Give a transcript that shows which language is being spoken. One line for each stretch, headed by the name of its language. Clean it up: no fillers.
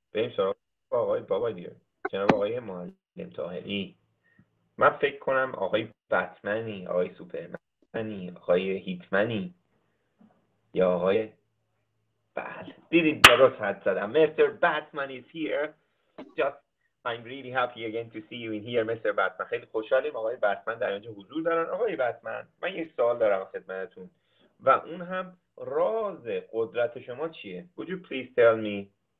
Persian: بریم سراغ آقای بابا دیگه. جناب آقای معلم طاهری. من فکر کنم آقای بتمنی، آقای سوپرمنی، آقای هیتمنی یا آقای بله دیدید درست حد زدم.
English: Mr. Batman is here. Just I'm really happy again to see you in here, Mr. Batman.
Persian: خیلی خوشحالیم آقای بتمن در اینجا حضور دارن. آقای بتمن، من یه سوال دارم خدمتتون و اون هم راز قدرت شما چیه؟
English: Would you please tell me?